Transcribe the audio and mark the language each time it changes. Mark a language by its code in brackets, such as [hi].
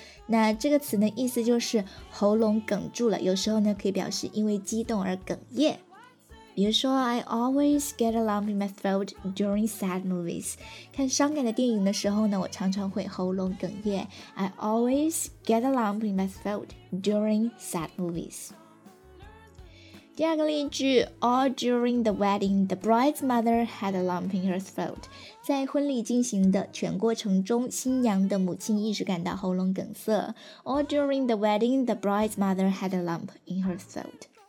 [zh] 那这个词呢意思就是喉咙哽住了，有时候呢可以表示因为激动而哽咽，比如说 [en] I always get a lump in my throat during sad movies， [zh] 看伤感的电影的时候呢我常常会喉咙哽咽， I always get a lump in my throat during sad movies。 [en] 第二个例句， All during the wedding, the bride's mother had a lump in her throat. [zh] 在婚礼进行的全过程中，新娘的母亲一直感到喉咙哽塞。 [en] All during the wedding, the bride's mother had a lump in her throat.